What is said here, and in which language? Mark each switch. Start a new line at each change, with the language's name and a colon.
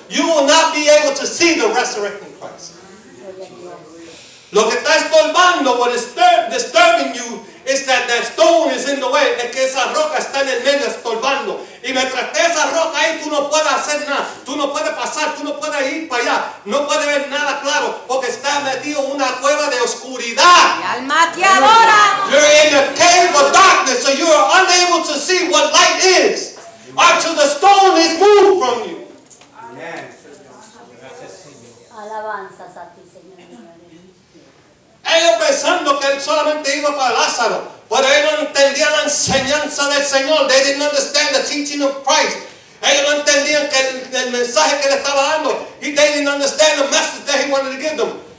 English: You will not be able to see the resurrecting Christ.
Spanish: Lo que está estorbando,
English: what is disturbing you, is that that stone is in the way.
Spanish: Es que esa roca está en el medio estorbando. Y mientras esté esa roca ahí, tú no puedes hacer nada. Tú no puedes pasar, tú no puedes ir para allá. No puedes ver nada claro porque está metido en una cueva de oscuridad. Alma te adora.
English: You're in a cave of darkness, so you are unable to see what light is until the stone is moved from you.
Spanish: Alabanzas a ti, Señor. Ellos pensando que él solamente iba para Lázaro, pero ellos no entendían la enseñanza del Señor.
English: They didn't understand the teaching of Christ.
Spanish: Ellos no entendían que el mensaje que le estaba dando.
English: They didn't understand the message that he wanted to give them.